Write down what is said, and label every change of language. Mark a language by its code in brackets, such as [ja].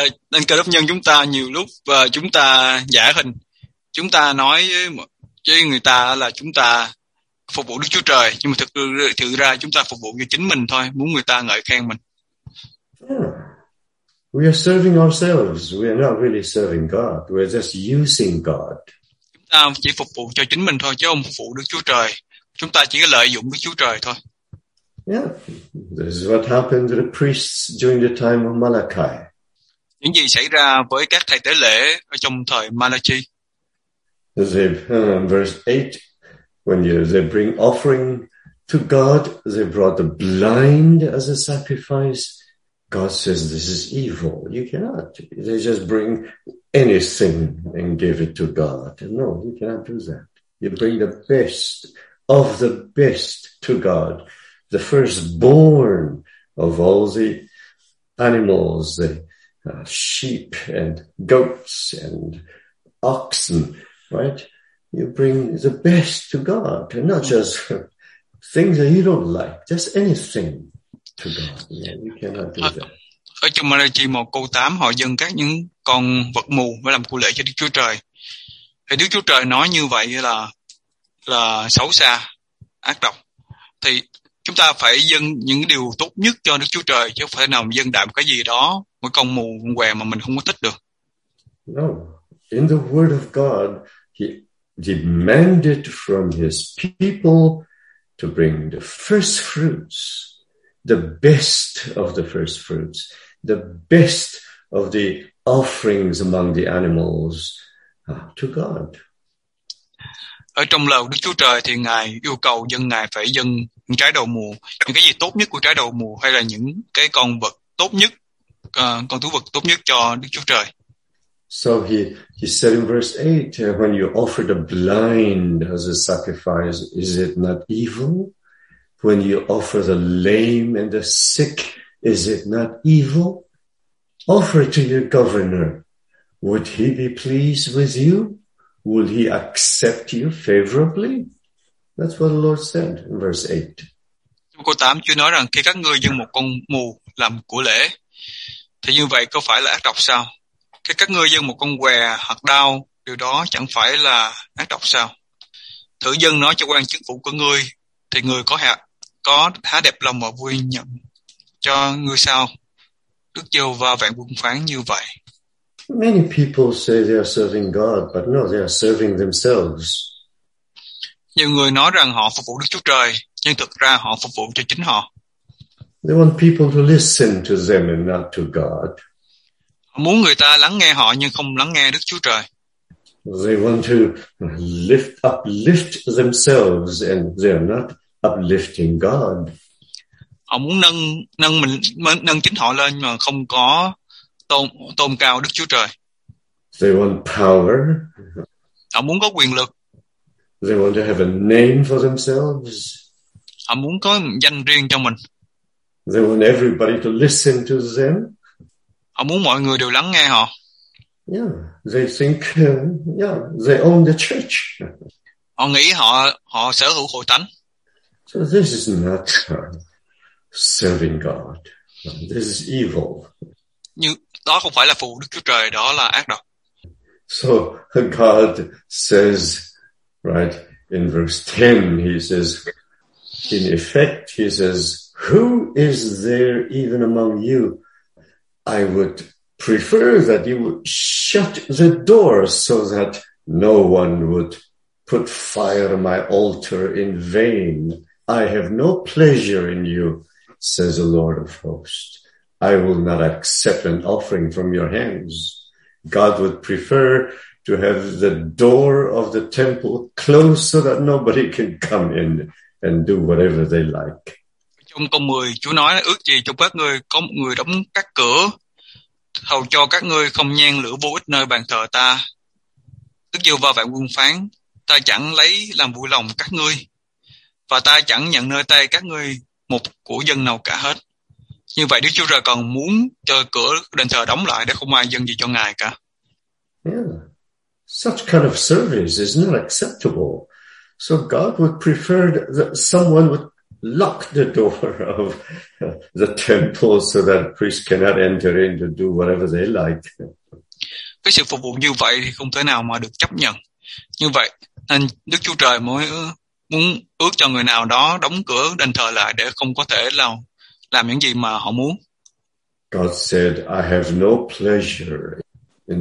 [vi] Nên cơ đốc nhân chúng ta nhiều lúc chúng ta giả hình, chúng ta nói với người ta là chúng ta phục vụ Đức Chúa Trời, nhưng mà thực ra chúng ta phục vụ cho chính mình thôi, muốn người ta ngợi khen mình. [en] Yeah. We are serving ourselves. We are not really serving God. We are just using God. [vi] Chúng ta chỉ phục vụ cho chính mình thôi, chứ không phục vụ Đức Chúa Trời. Chúng ta chỉ lợi dụng Đức Chúa Trời thôi. [en] Yeah, this is what happened to the priests during the time of Malachi. [vi] Những gì xảy ra với các thầy tế lễ ở trong thời Malachi? [en] Verse 8, when they bring offering to God, they brought the blind as a sacrifice. God says this is evil. You cannot. They just bring anything and give it to God. No, you cannot do that. You bring the best of the best to God. The firstborn of all the animals, the sheep and goats and oxen, right? You bring the best to God, not just things that you don't like, just anything to God. Yeah, you cannot do that. [vi] Ở trong Malachi 1 câu 8, họ dâng các những con vật mù để làm cụ lễ cho Đức Chúa Trời. Thì Đức Chúa Trời nói như vậy là xấu xa, ác độc. Thì chúng ta phải dâng những điều tốt nhất cho Đức Chúa Trời, chứ không thể nào dâng đạm cái gì đó, một con mù con què mà mình không có thích được. [en] No, in the word of God, he demanded from his people to bring the first fruits, the best of the first fruits, the best of the offerings among the animals to God. [vi] Ở trong lời Đức Chúa Trời thì Ngài yêu cầu dân Ngài phải dâng những trái đầu mùa, những cái gì tốt nhất của trái đầu mùa, hay là những cái con vật tốt nhất, con thú vật tốt nhất cho Đức Chúa Trời. [en] So he said in verse 8, when you offer the blind as a sacrifice, is it not evil? When you offer the lame and the sick, is it not evil? Offer it to your governor. Would he be pleased with you? Will he accept you favorably? That's what the Lord said in verse 8. [vi] Câu 8 Chúa nói rằng khi các ngươi dâng một con mù làm của lễ thì như vậy có phải là ác độc sao? Khi các ngươi dâng một con què hoặc đau, điều đó chẳng phải là ác độc sao? Thử dâng nó cho quan chức vụ của ngươi thì ngươi có há đẹp lòng và vui nhận cho ngươi sao? Đức Giê-hô-va vạn quân phán như vậy. [en] Many people say they are serving God, but no, they are serving themselves. [vi] Nhiều người nói rằng họ phục vụ Đức Chúa Trời, nhưng thực ra họ phục vụ cho chính họ. [en] They want people to listen to them and not to God. [vi] Họ muốn người ta lắng nghe họ nhưng không lắng nghe Đức Chúa Trời. [en] They want to uplift themselves and they are not uplifting God. [vi] Họ muốn nâng chính họ lên mà không có tôn cao Đức Chúa Trời. [en] They want power. [vi] Họ muốn có quyền lực. [en] They want to have a name for themselves. [vi] Họ muốn có danh riêng cho mình. [en] They want everybody to listen to them. [vi] Họ muốn mọi người đều lắng nghe họ. [en] Yeah, they think, yeah, they own the church. [vi] Họ nghĩ họ sở hữu hội thánh. [en] So this is not serving God. This is evil. [vi] Như đó không phải là phụ Đức Chúa Trời, đó là ác độc. [en] So God says, right, in verse 10, he says, in effect, he says, who is there even among you? I would prefer that you would shut the door so that no one would put fire on my altar in vain. I have no pleasure in you, says the Lord of hosts. I will not accept an offering from your hands. God would prefer to have the door of the temple closed so that nobody can come in and do whatever they like. [vi] Trong câu 10, Chúa nói ước gì cho các ngươi có một người đóng các cửa, hầu cho các ngươi không nhen lửa vô ích nơi bàn thờ ta. Đức Giê-hô-va vạn quân phán, ta chẳng lấy làm vui lòng các ngươi, và ta chẳng nhận nơi tay các ngươi một của dân nào cả hết. Như vậy Đức Chúa Trời còn muốn cho cửa đền thờ đóng lại để không ai dâng gì cho Ngài cả. [en] Yeah. Such kind of service is not acceptable. So God would prefer that someone would lock the door of the temple so that priests cannot enter in to do whatever they like. [vi] Cái sự phục vụ như vậy thì không thể nào mà được chấp nhận. Như vậy nên Đức Chúa Trời mới muốn ước cho người nào đó đóng cửa đền thờ lại để không có thể làm những gì mà họ muốn. [en] God said, I have no pleasure in